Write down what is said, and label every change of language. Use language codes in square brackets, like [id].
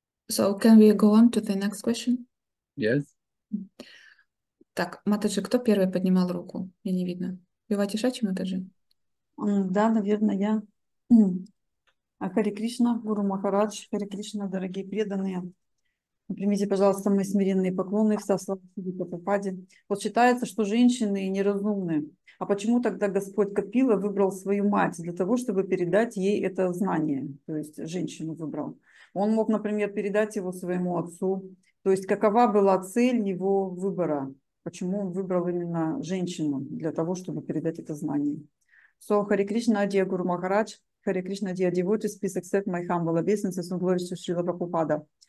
[en] So, can we go on to the next question? Yes. [ru] Так, Матаджи, кто первый поднимал руку? Мне не видно. Виватишачи, Да, наверное, я. Хари Кришна, Гуру Махарадж, Хари Кришна, дорогие преданные. Примите, пожалуйста, мои смиренные поклоны, вся слава Прабхупаде. Вот считается, что женщины неразумны. А почему тогда Господь Капила выбрал свою мать для того, чтобы передать ей это знание? То есть женщину выбрал. Он мог, например, передать его своему отцу. То есть какова была цель его выбора? Почему он выбрал именно женщину для того, чтобы передать это знание? [en] So, Hare Krishna, Adiya Guru Maharaj. Hare Krishna, Adiya devotees. Please accept my humble obeisances and glories to Srila Prabhupada.